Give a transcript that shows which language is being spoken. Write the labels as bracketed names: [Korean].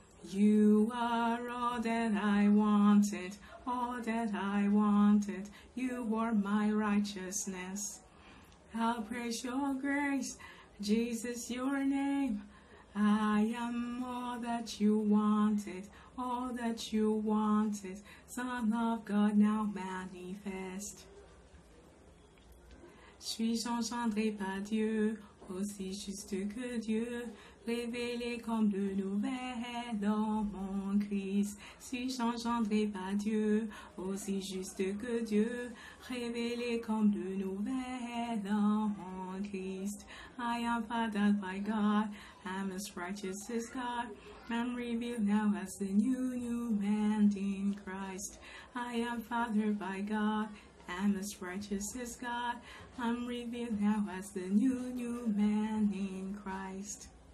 [English] You are all that I wanted, all that I wanted. You are my righteousness. I praise your grace, Jesus, your name. I am all that you wanted, all that you wanted. Son of God, now manifest. [French] Suis engendré par Dieu, aussi juste que Dieu, révélé comme le nouvel homme en Christ. Suis engendré par Dieu, aussi juste que Dieu, révélé comme le nouvel homme en Christ. [English] I am fathered by God, I'm as righteous as God, I'm revealed now as the new man in Christ. I am fathered by God, I'm as righteous as God. I'm revealed now as the new man in Christ.